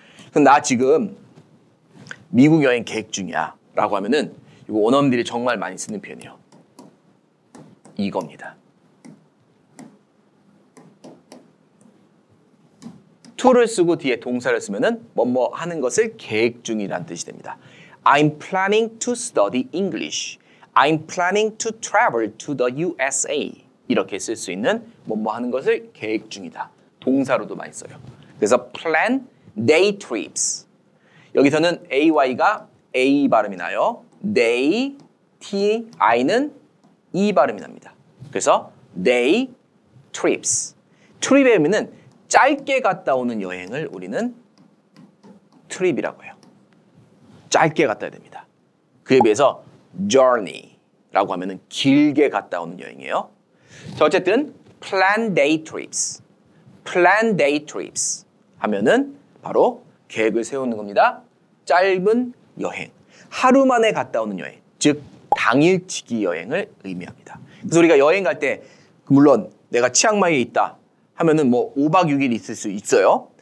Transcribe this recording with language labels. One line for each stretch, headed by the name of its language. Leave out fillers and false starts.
Korean: 그럼 나 지금 미국 여행 계획 중이야 라고 하면은 이거 원어민들이 정말 많이 쓰는 표현이에요. 이겁니다. to를 쓰고 뒤에 동사를 쓰면은 뭐뭐 하는 것을 계획 중이라는 뜻이 됩니다.
English: I'm planning to study English. I'm planning to travel to the USA.
Korean: 이렇게 쓸 수 있는 뭐뭐 하는 것을 계획 중이다. 동사로도 많이 써요.
English: 그래서 plan day trips.
Korean: 여기서는 AY가 A 발음이 나요. day, TI는 E 발음이 납니다.
English: 그래서 day trips.
Korean: trip의 의미는 짧게 갔다 오는 여행을 우리는 trip이라고 해요. 짧게 갔다 와야 됩니다. 그에 비해서 journey라고 하면은 길게 갔다 오는 여행이에요. 자, 어쨌든
English: plan day trips. plan day trips
Korean: 하면은 바로 계획을 세우는 겁니다. 짧은 여행. 하루 만에 갔다 오는 여행. 즉 당일치기 여행을 의미합니다. 그래서 우리가 여행 갈 때 물론 내가 치앙마이에 있다 하면은 뭐 5박 6일 있을 수 있어요.